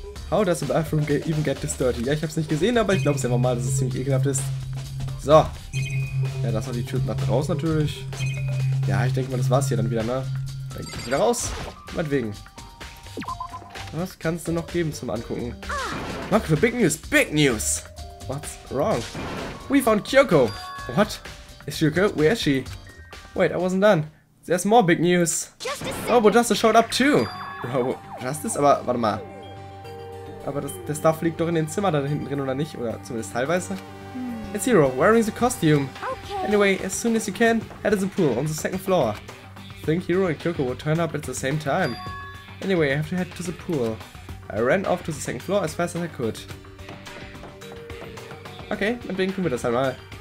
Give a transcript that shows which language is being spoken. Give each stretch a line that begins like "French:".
English: How does the bathroom even get this dirty?
German: Ja, ich habe es nicht gesehen, aber ich glaube es einfach mal, dass es ziemlich ekelhaft ist. So. Ja, das war die Tür nach draußen natürlich. Ja, ich denke mal, das war's hier dann wieder, ne? Dann geht's wieder raus. Meinetwegen. Was kannst du noch geben zum Angucken? Mark für
English: Big News! Big News! What's wrong? We found Kyoko! What? Is she okay? Where is she? Wait, I wasn't done. There's more big news. Robo Justice showed up too. Robo Justice?
German: Aber warte mal. Aber der Stuff liegt doch in dem Zimmer da hinten drin, oder nicht? Oder zumindest teilweise?
English: It's Hero, wearing the costume. Okay. Anyway, as soon as you can, head to the pool on the second floor. Think Hero and Kyoko will turn up at the same time. Anyway, I have to head to the pool. I ran off to the second floor as fast as I could.
German: Okay, dann bringen wir das einmal.